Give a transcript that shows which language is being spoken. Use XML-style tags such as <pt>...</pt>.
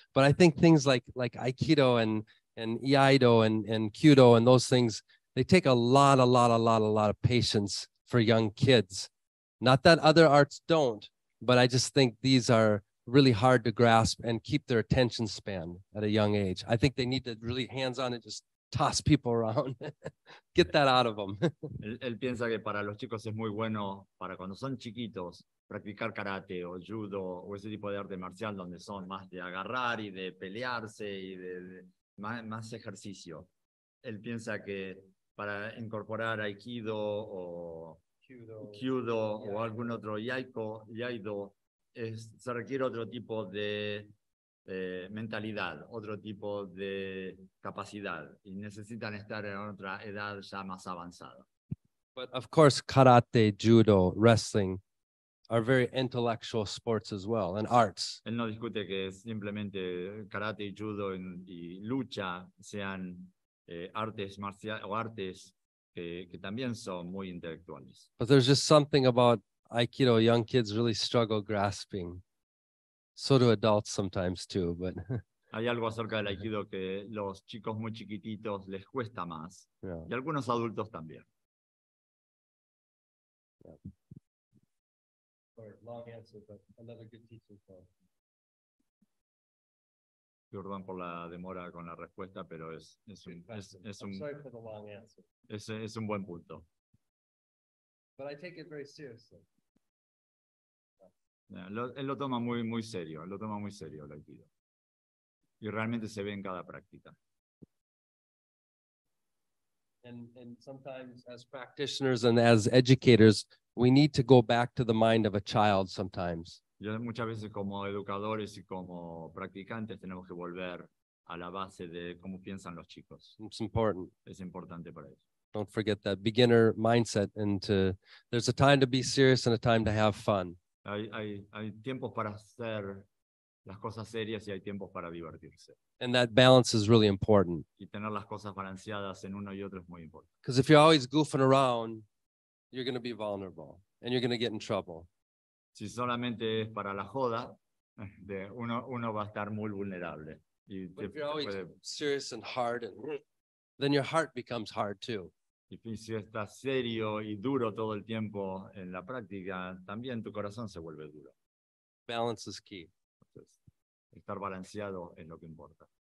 <en>But I think things like Aikido and Iaido and Kudo and those things, they take a lot of patience for young kids. Not that other arts don't, but I just think these are really hard to grasp and keep their attention span at a young age. I think they need to really hands-on and just toss people around. Get that out of them.</en> <es>Él piensa que para los chicos es muy bueno, para cuando son chiquitos, practicar karate o judo o ese tipo de arte marcial donde son más de agarrar y de pelearse y de más ejercicio. Él piensa que para incorporar aikido o kudo o algún otro yaido, se requiere otro tipo de mentalidad, otro tipo de capacidad, y necesitan estar en otra edad ya más avanzada.</es> <en>But of course, karate, judo, wrestling are very intellectual sports as well, and arts.</en> <es>Él no discute que simplemente karate, judo y lucha sean artes marciales o artes que también son muy intelectuales.</es> <en>But there's just something about Aikido, young kids really struggle grasping. So do adults sometimes too, but</en> <es>hay algo acerca del Aikido que los chicos muy chiquititos les cuesta más, yeah. Y algunos adultos también.</es> <en>Yeah. Sorry, long answer, but another good teacher call.</en> <es>Perdón por la demora con la respuesta, pero es un buen punto.</es> <en>But I take it very seriously.</en> <es>Él lo toma muy, muy serio, él lo toma muy serio el Aikido. Y realmente se ve en cada práctica.</es> <en>And sometimes as practitioners and as educators, we need to go back to the mind of a child sometimes.</en> <es>Yo muchas veces como educadores y como practicantes tenemos que volver a la base de cómo piensan los chicos.</es> <en>It's important.</en> <es>Es importante para ellos.</es> <en>Don't forget that beginner mindset there's a time to be serious and a time to have fun.</en> <es>Hay tiempos para hacer las cosas serias y hay tiempos para divertirse.</es> <en>And that balance is really important.</en> <es>Y tener las cosas balanceadas en uno y otro es muy importante.</es> <en>Because if you're always goofing around, you're going to be vulnerable and you're going to get in trouble.</en> <es>Si solamente es para la joda, uno va a estar muy vulnerable.</es> <en>Y but if you're always serious and hard, then your heart becomes hard too.</en> <es>Y si estás serio y duro todo el tiempo en la práctica, también tu corazón se vuelve duro.</es> <en>Balance is key.</en> <es>Entonces, estar balanceado es lo que importa.</es>